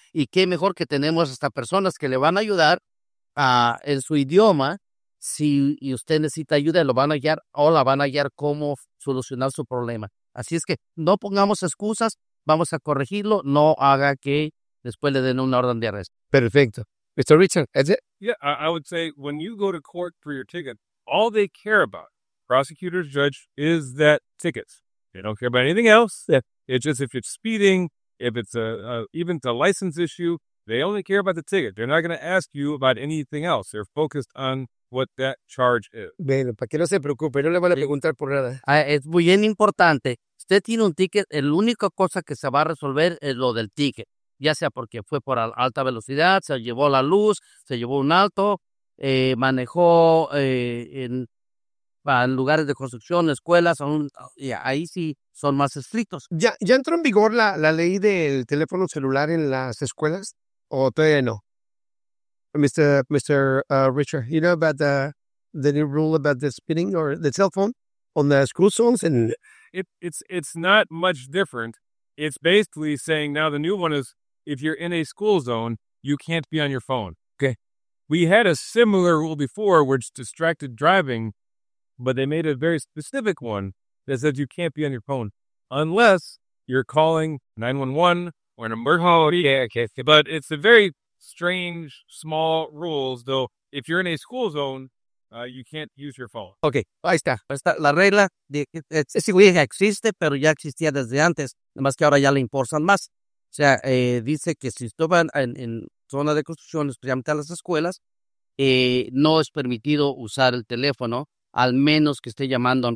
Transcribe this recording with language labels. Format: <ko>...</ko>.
<es>Y qué mejor que tenemos hasta personas que le van a ayudar en su idioma. Si usted necesita ayuda, lo van a guiar o la van a guiar cómo solucionar su problema. Así es que no pongamos excusas. Vamos a corregirlo. No haga que después le den una orden de arresto.</es> <en>Perfecto. Mr. Richard, is it? Yeah, I would say when you go to court for your ticket, all they care about, prosecutors, judge, is that ticket. They don't care about anything else. Yeah. It's just if it's speeding, if it's even a license issue, they only care about the ticket. They're not going to ask you about anything else. They're focused on what that charge is.</en> <es>Bueno, para que no se preocupe, no le voy a preguntar por nada. Es muy bien importante. Usted tiene un ticket, la única cosa que se va a resolver es lo del ticket, ya sea porque fue por alta velocidad, se llevó la luz, se llevó un alto, manejó en lugares de construcción, escuelas, ahí sí son más estrictos. ¿Ya entró en vigor la ley del teléfono celular en las escuelas o todavía no?</es> <en>Mr. Richard, you know about the new rule about the speeding or the cell phone on the school zones and... It's not much different. It's basically saying now the new one is if you're in a school zone, you can't be on your phone. Okay. We had a similar rule before which distracted driving, but they made a very specific one that says you can't be on your phone unless you're calling 911 or an emergency. Yeah, okay. But it's a very strange, small rules, though. If you're in a school zone, you can't use your phone.</en> <es>Okay, ahí está. La regla de existe, pero ya existía desde antes. Nada más que ahora ya le impulsan más. O sea, dice que si estaban en zona de construcción, especialmente a las escuelas, no es permitido usar el teléfono, al menos que esté llamando a</es>